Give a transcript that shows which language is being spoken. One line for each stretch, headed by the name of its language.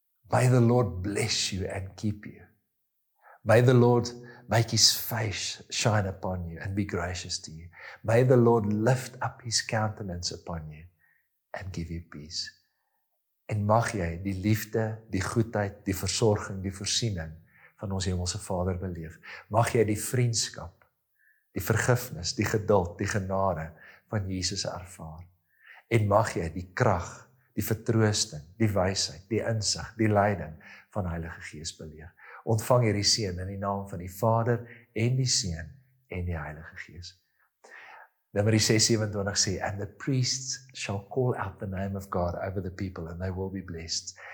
English: May the Lord bless you and keep you. May the Lord make his face shine upon you and be gracious to you. May the Lord lift up his countenance upon you and give you peace.
Afrikaans: En mag jy die liefde, die goedheid, die versorging, die voorsiening van ons hemelse Vader beleef. Mag jy die vriendskap, die vergifnis, die geduld, die genade van Jesus ervaar. En mag jy die krag, die vertroosting, die wysheid, die insig, die leiding van Heilige Gees beleef. Ontvang hierdie seën in die naam van die Vader en die Seun en die Heilige Gees. Nummer 6:27 sê,
English: and the priests shall call out the name of God over the people and they will be blessed.